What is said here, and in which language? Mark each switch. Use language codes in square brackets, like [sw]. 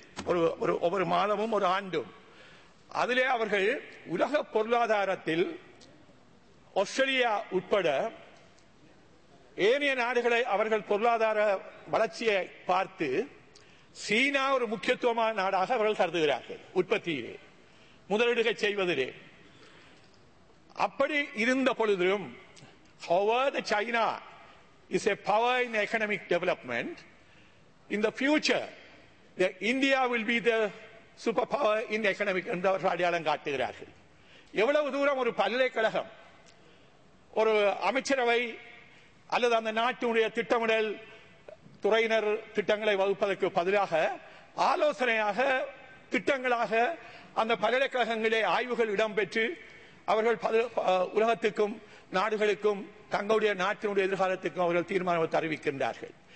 [ta] ஒரு ஒரு ஒவ்வொரு மாதமும் ஒரு ஆண்டும் அதிலே அவர்கள் உலக பொருளாதாரத்தில் ஆஸ்திரேலியா உட்பட ஏனைய நாடுகளை அவர்கள் பொருளாதார வளர்ச்சியை பார்த்து சீனா ஒரு முக்கியத்துவமான நாடாக அவர்கள் கருதுகிறார்கள். உற்பத்தியிலே முதலீடுகள் செய்வதிலே அப்படி இருந்த பொழுதிலும் [en] China is a power in economic development. In the future, India will be the superpower in economic development. [ta] எவ்வளவு தூரம் ஒரு பல்கலைக்கழகம் ஒரு அமைச்சரவை அல்லது அந்த நாட்டினுடைய திட்டமிடல் துறையினர் திட்டங்களை வகுப்பதற்கு பதிலாக ஆலோசனையாக திட்டங்களாக அந்த பல்கலைக்கழகங்களிலே ஆய்வுகள் இடம்பெற்று அவர்கள் உலகத்துக்கும் நாடுகளுக்கும் தங்களுடைய நாட்டினுடைய எதிர்காலத்துக்கும் அவர்கள் தீர்மானம் அறிவிக்கின்றார்கள்.